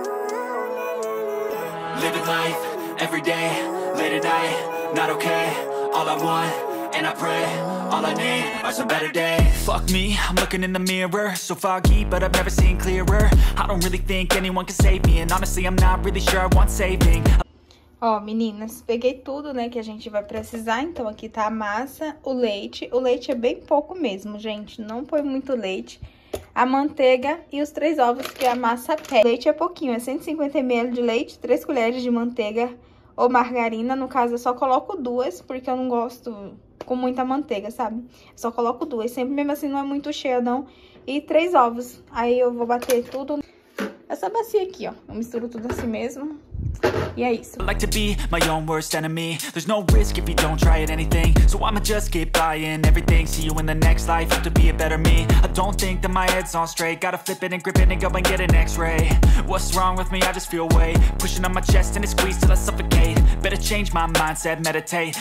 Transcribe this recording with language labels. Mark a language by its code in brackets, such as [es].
[en] Living life, every day, late at night, not okay, all I want, and I pray. All I need are some better days. Fuck me, I'm looking in the mirror. So foggy, but I've never seen clearer. I don't really think anyone can save me. And honestly, I'm not really sure I want saving. [pt] Ó, meninas, peguei tudo, né, que a gente vai precisar. Então aqui tá a massa, o leite. O leite é bem pouco mesmo, gente. Não põe muito leite. A manteiga e os 3 ovos que a massa pede. Leite é pouquinho, é 150 ml de leite, 3 colheres de manteiga ou margarina. No caso, eu só coloco 2, porque eu não gosto com muita manteiga, sabe? Só coloco 2, sempre mesmo assim não é muito cheia, não. E 3 ovos, aí eu vou bater tudo. Essa bacia aqui, ó, eu misturo tudo assim mesmo. E é isso. [en] I like to be my own worst enemy. There's no risk if you don't try it anything. So I'ma just keep buying everything. See you in the next life. Have to be a better me. I don't think that my head's on straight. Gotta flip it and grip it and go and get an x-ray. What's wrong with me? I just feel weight pushing on my chest and it squeezes till I suffocate. Better change my mindset, meditate.